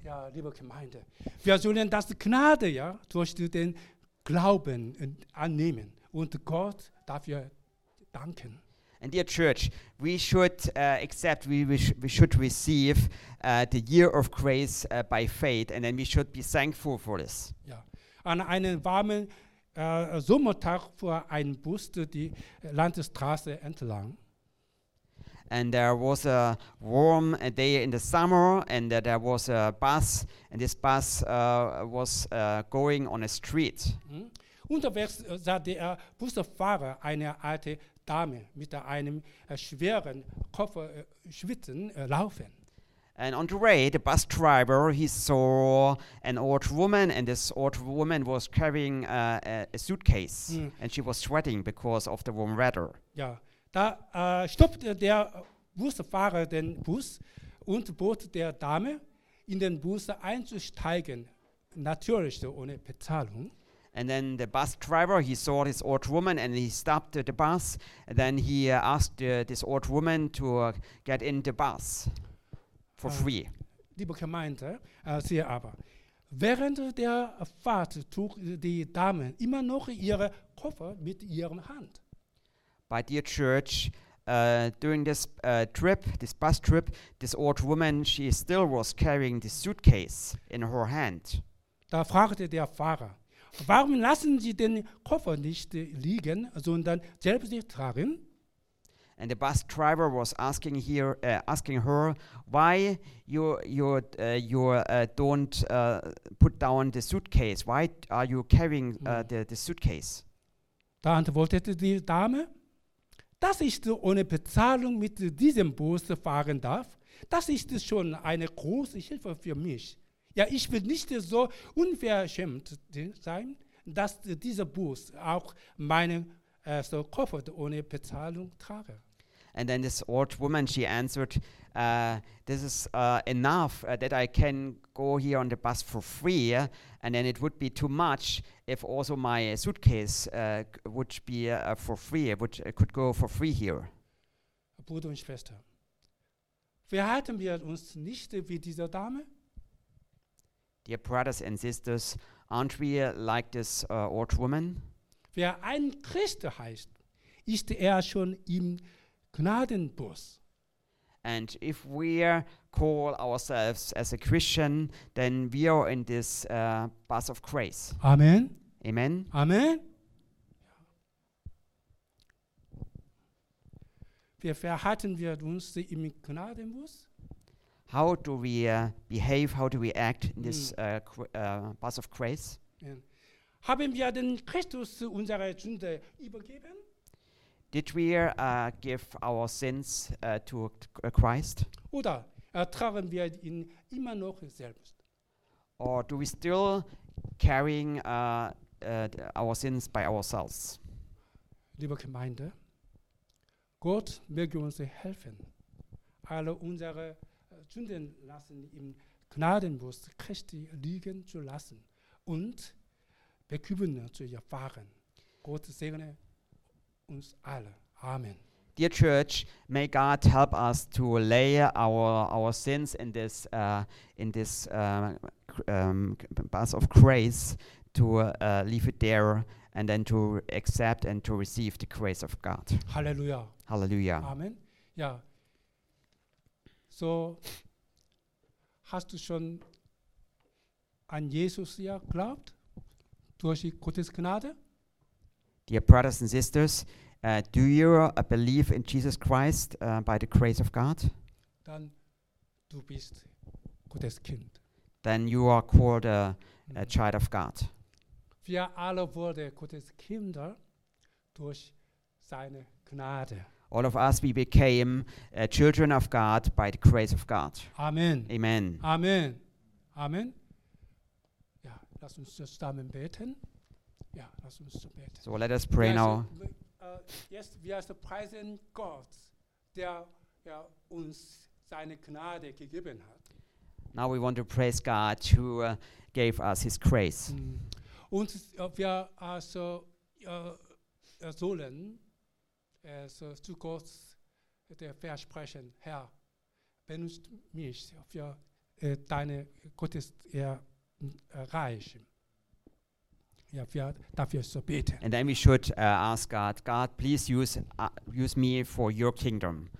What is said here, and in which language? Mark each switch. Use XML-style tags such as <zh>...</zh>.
<de>Ja, liebe Gemeinde, wir sollen das Gnade ja, durch den Glauben annehmen und Gott dafür danken.</de> <en>And dear church, we should accept, we should receive the year of grace by faith, and then we should be thankful for this.</en> <de>Ja. An einem warmen Sommertag fuhr ein Bus die Landstraße entlang.</de> <en>And there was a warm day in the summer, and there was a bus, and this bus was going on a street.</en> <de>Unterwegs sah der Busfahrer eine alte Dame mit einem schweren Koffer schwitzen laufen.</de> <en>And on the way, the bus driver, he saw an old woman, and this old woman was carrying a suitcase, and she was sweating because of the warm weather.</en> <de>Ja, da stoppte der Busfahrer den Bus und bot der Dame, in den Bus einzusteigen, natürlich ohne Bezahlung.</de> <en>And then the bus driver, he saw this old woman and he stopped the bus. And then he asked this old woman to get in the bus for free.</en> <de>Liebe Gemeinde, siehe aber, während der Fahrt trug die Dame immer noch ihre Koffer mit ihrer Hand.</de> <en>By dear church, during this trip, this bus trip, this old woman, she still was carrying the suitcase in her hand.</en> <de>Da fragte der Fahrer, warum lassen Sie den Koffer nicht liegen, sondern selbst tragen?</de> <en>And the bus driver was asking her, why you don't put down the suitcase? Why are you carrying the suitcase?</en> <de>Da antwortete die Dame, dass ich ohne Bezahlung mit diesem Bus fahren darf, das ist schon eine große Hilfe für mich. Ja, ich will nicht so unverschämt sein, dass dieser Bus auch meinen so Koffer ohne Bezahlung trage.</de> <en>And then this old woman, she answered, this is enough that I can go here on the bus for free, and then it would be too much if also my suitcase would be for free, which could go for free here.</en> <de>Bruder und Schwester, verhalten wir uns nicht wie diese Dame?</de> <en>Dear brothers and sisters, aren't we like this old woman?</en> <de>Wer ein Christ heißt, ist er schon im Gnadenbus.</de> <en>And if we call ourselves as a Christian, then we are in this bus of grace. Amen. Amen. Amen.</en> <de>Wie verhalten wir uns im Gnadenbus?</de> <en>How do we behave, how do we act in this bus of grace?</en> <de>Haben wir den Christus unsere Sünde übergeben?</de> <en>Did we give our sins to Christ?</en> <de>Oder tragen wir ihn immer noch selbst?</de> <en>Or do we still carrying our sins by ourselves?</en> <de>Liebe Gemeinde, Gott möge uns helfen, alle unsere Sünden lassen im Gnadenbus Christi liegen zu lassen und Bekümmern zu erfahren. Gott segne uns alle. Amen.</de> <en>Dear Church, may God help us to lay our sins in this bus of grace, to leave it there and then to accept and to receive the grace of God. Halleluja. Halleluja.</en> <de>Amen. Ja. So, hast du schon an Jesus geglaubt? Durch Gottes Gnade?</de> <en>Dear brothers and sisters, do you believe in Jesus Christ by the grace of God?</en> <de>Dann du bist Gottes Kind.</de> <en>Then you are called a child of God.</en> <de>Wir alle wurden Gottes Kinder durch seine Gnade.</de> <en>All of us, we became children of God by the grace of God. Amen. Amen.</en> <de>Amen. Amen. Ja, lass uns zusammen beten. Ja, lass uns beten.</de> <en>So let us pray now.</en> <de>Yes, wir preisen Gott, der uns seine Gnade gegeben hat.</de> <en>Now we want to praise God who gave us his grace.</en> <de>Und wir also sollen so zu Gott der versprechen, Herr, benutzt mich für deine Gottes Reich. Ja, wir dafür so beten.</de> <en>And then we should ask God, God, please use me for your kingdom.</en>